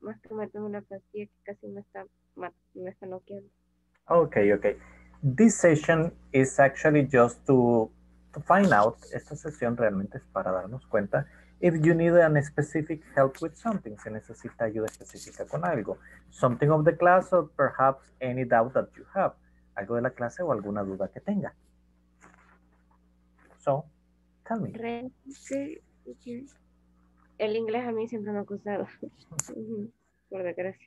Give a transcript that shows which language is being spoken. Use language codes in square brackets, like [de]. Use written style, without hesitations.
[es] Más que me tomé una pastilla que casi me está noqueando. [en] Okay. This session is actually just to find out. [es] Esta sesión realmente es para darnos cuenta [en] if you need an specific help with something, [es] si necesita ayuda específica con algo. [en] Something of the class or perhaps any doubt that you have. [es] Algo de la clase o alguna duda que tenga. [en] So, tell me. [es] Realmente, el inglés a mí siempre me ha costado, por desgracia.